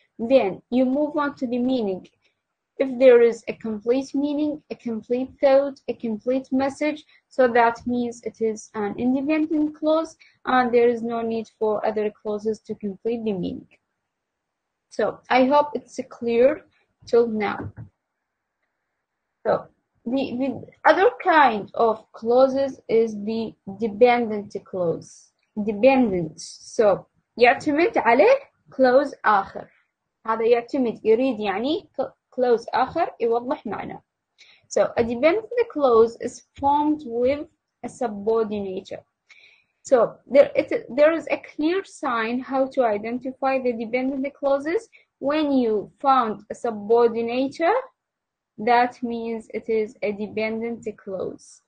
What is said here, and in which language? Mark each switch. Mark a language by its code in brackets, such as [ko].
[en] Then you move on to the meaning. If there is a complete meaning, a complete thought, a complete message, so that means it is an independent clause and there is no need for other clauses to complete the meaning. So I hope it's clear till now. So the other kind of clauses is the dependent clause. Dependent. [ar] So يعتمد على clause آخر. هذا يعتمد يريد يعني clause آخر يوضح معناه. [en] So a dependent clause is formed with a subordinator. So there is a clear sign how to identify the dependent clauses. When you found a subordinator, that means it is a dependent clause.